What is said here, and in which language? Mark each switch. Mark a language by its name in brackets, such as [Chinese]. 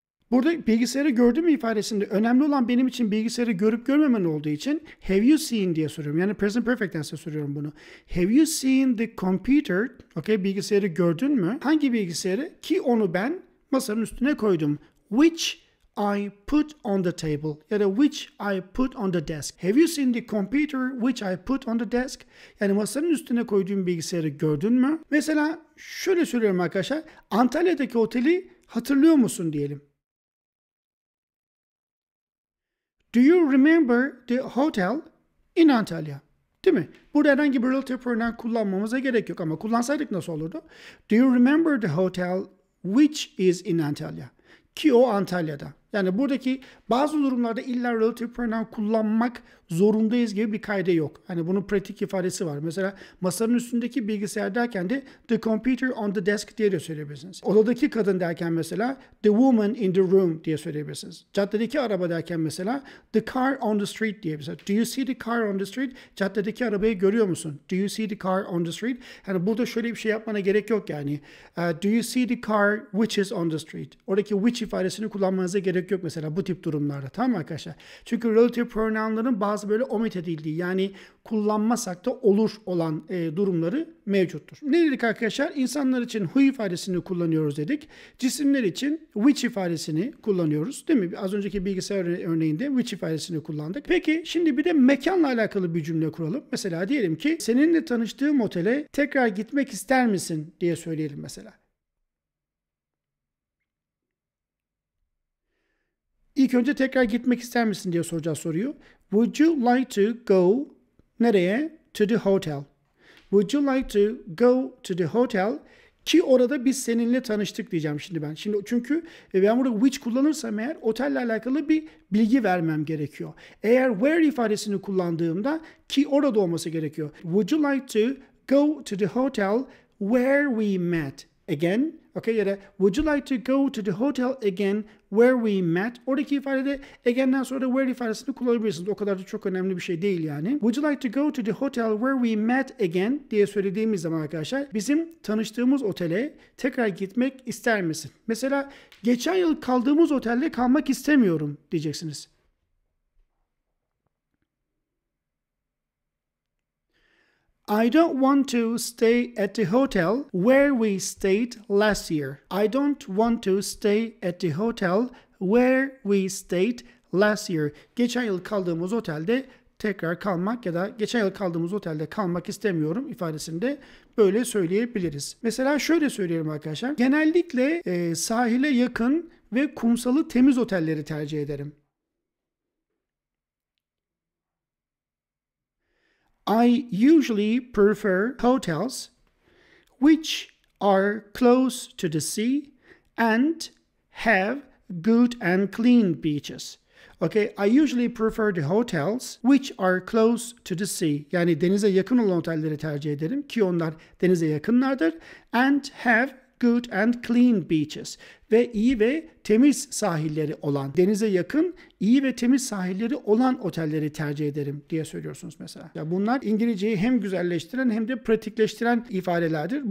[Turkish] Burada bilgisayarı gördün mü ifadesinde önemli olan benim için bilgisayarı görüp görmemen olduğu için [English] have you seen [Turkish] diye soruyorum. [English] Yani present perfect tense [Turkish] soruyorum bunu. [English] Have you seen the computer? [Turkish] Okay, bilgisayarı gördün mü? Hangi bilgisayarı ki onu ben masanın üstüne koydum? [English] Which I put on the table. [Turkish] Ya da [English] which I put on the desk. Have you seen the computer which I put on the desk? [Turkish] Yani masanın üstüne koyduğum bilgisayarı gördün mü? Mesela şöyle söylüyorum arkadaşlar. Antalya'daki oteli hatırlıyor musun diyelim. [English] Do you remember the hotel in Antalya? [Turkish] Değil mi? Burada herhangi bir relative pronoun kullanmamıza gerek yok ama kullansaydık nasıl olurdu? [English] Do you remember the hotel which is in Antalya? [Turkish] Ki o Antalya'da. Yani buradaki bazı durumlarda illa relative pronoun kullanmak zorundayız gibi bir kaide yok. Hani bunun pratik ifadesi var. Mesela masanın üstündeki bilgisayar derken de [English] the computer on the desk [Turkish] diye de söyleyebilirsiniz. Odadaki kadın derken mesela [English] the woman in the room [Turkish] diye söyleyebilirsiniz. Caddedeki araba derken mesela [English] the car on the street [Turkish] diye bir şey. [English] Do you see the car on the street? [Turkish] Caddedeki arabayı görüyor musun? [English] Do you see the car on the street? [Turkish] Hani burada şöyle bir şey yapmana gerek yok yani. [English] Do you see the car which is on the street? [Turkish] Oradaki which ifadesini kullanmanıza gerek yok mesela bu tip durumlarda. Tamam mı arkadaşlar? Çünkü relative pronounların bazı böyle omit edildiği yani kullanmasak da olur olan durumları mevcuttur. Ne dedik arkadaşlar? İnsanlar için who ifadesini kullanıyoruz dedik. Cisimler için which ifadesini kullanıyoruz. Değil mi? Az önceki bilgisayar örneğinde which ifadesini kullandık. Peki şimdi bir de mekanla alakalı bir cümle kuralım. Mesela diyelim ki seninle tanıştığım otele tekrar gitmek ister misin diye söyleyelim mesela. İlk önce tekrar gitmek ister misin diye soracağız soruyu. [English] Would you like to go [Turkish] nereye? [English] To the hotel. Would you like to go to the hotel? [Turkish] Ki orada biz seninle tanıştık diyeceğim şimdi ben. Şimdi çünkü ben burada which kullanırsam eğer otelle alakalı bir bilgi vermem gerekiyor. Eğer where ifadesini kullandığımda ki orada olması gerekiyor. [English] Would you like to go to the hotel where we met? Again, okay, [Turkish] ya da [English] would you like to go to the hotel again where we met? [Turkish] Oradaki ifadede again'den sonra where ifadesini kullanabilirsiniz. O kadar da çok önemli bir şey değil yani. [English] Would you like to go to the hotel where we met again [Turkish] diye söylediğimiz zaman arkadaşlar bizim tanıştığımız otele tekrar gitmek ister misin? Mesela geçen yıl kaldığımız otelde kalmak istemiyorum diyeceksiniz. [English] I don't want to stay at the hotel where we stayed last year. I don't want to stay at the hotel where we stayed last year. [Turkish] Geçen yıl kaldığımız otelde tekrar kalmak ya da geçen yıl kaldığımız otelde kalmak istemiyorum ifadesinde böyle söyleyebiliriz. Mesela şöyle söyleyelim arkadaşlar. Genellikle sahile yakın ve kumsalı temiz otelleri tercih ederim. [English] I usually prefer hotels which are close to the sea and have good and clean beaches. Okay, I usually prefer the hotels which are close to the sea. [Turkish] Yani denize yakın olan otelleri tercih ederim ki onlar denize yakınlardır. [English] And have good and clean beaches. [Turkish] Ve iyi ve temiz sahilleri olan, denize yakın, iyi ve temiz sahilleri olan otelleri tercih ederim diye söylüyorsunuz mesela. Ya bunlar İngilizceyi hem güzelleştiren hem de pratikleştiren ifadelerdir.